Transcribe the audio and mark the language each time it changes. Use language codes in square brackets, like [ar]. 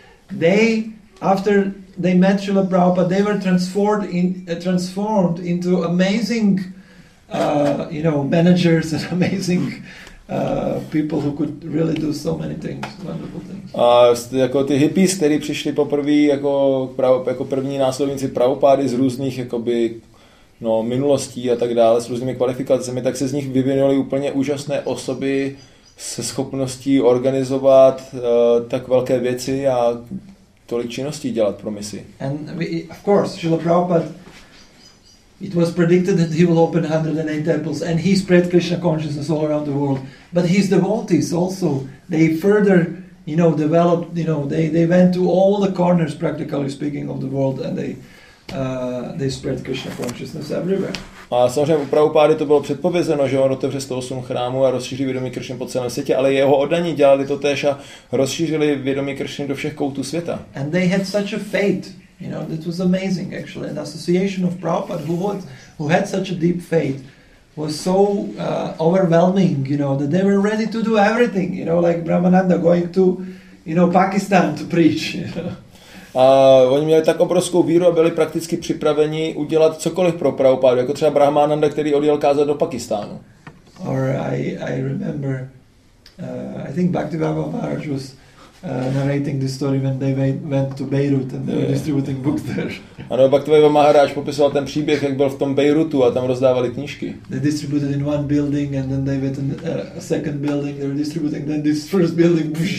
[en] They, after they met Srila Prabhupada, they were transformed into amazing, managers and amazing people who could really do so many things, wonderful things. [cs] A jako ty hippies, kteří přišli poprvé jako první následovníci Prabhupády z různých minulostí a tak dále, s různými kvalifikacemi, tak se z nich vyvinuli úplně úžasné osoby se schopností organizovat tak velké věci a tolik činností dělat pro misi. [en] And of course, Srila Prabhupada, it was predicted that he will open 108 temples and he spread Krishna consciousness all around the world. But his devotees also, they further developed, they went to all the corners, practically speaking, of the world, and they spread Krishna consciousness everywhere. [cs] A samozřejmě u Prabhupády to bylo předpovězeno, že on otevře 108 chrámů a rozšíří vědomí Krishny po celém světě, ale jeho oddaní dělali to též a rozšířili vědomí Krishny do všech koutů světa. [en] And they had such a faith, that was amazing actually. An association of Prabhupada who had such a deep faith was so overwhelming, that they were ready to do everything, like Brahmananda going to, Pakistan to preach. [cs] A oni měli tak obrovskou víru a byli prakticky připraveni udělat cokoliv pro Prabhupádu, jako třeba Brahmananda, který odjel kázat do Pakistánu. [en] Or I remember, I think Bhaktivinoda Maharaj was narrating this story when they went to Beirut and they were distributing books there. [cs] Ano, Bhaktivinoda Maharaj popisoval ten příběh, jak byl v tom Beirutu a tam rozdávali knížky. [en] They distributed in one building and then they went in a second building, they were distributing, then this first building,